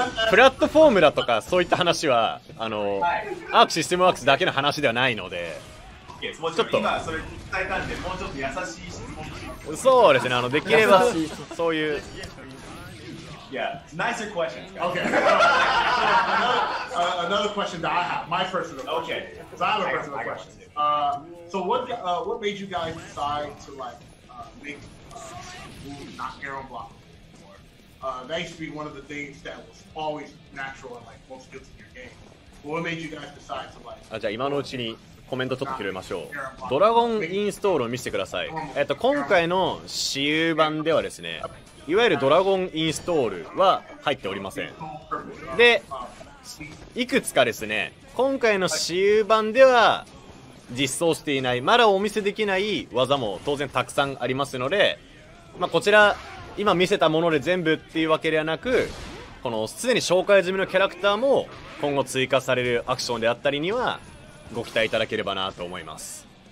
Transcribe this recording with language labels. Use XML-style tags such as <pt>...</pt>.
<ja>プラットフォームだとかそういった話はアークシステムワークスだけの話ではないので、ちょっと今それ伝えたんで、もうちょっと優しい質問しますか。そうですね、できればそういう、</ja> <en>Yeah, nicer questions. Okay. another question that I have, my personal question. Okay. Because I have a personal question. So what made you guys decide to make not Aaron Block anymore? That used to be one of the things that was always natural and most good in your game. But what made you guys decide to</en> <ja>コメントちょっと拾いましょう。ドラゴンインストールを見せてください。今回の私有版ではですね、いわゆるドラゴンインストールは入っておりません。でいくつかですね、今回の私有版では実装していない、まだお見せできない技も当然たくさんありますので、まあ、こちら今見せたもので全部っていうわけではなく、このすでに紹介済みのキャラクターも今後追加されるアクションであったりにはご期待いただければなと思います。</ja>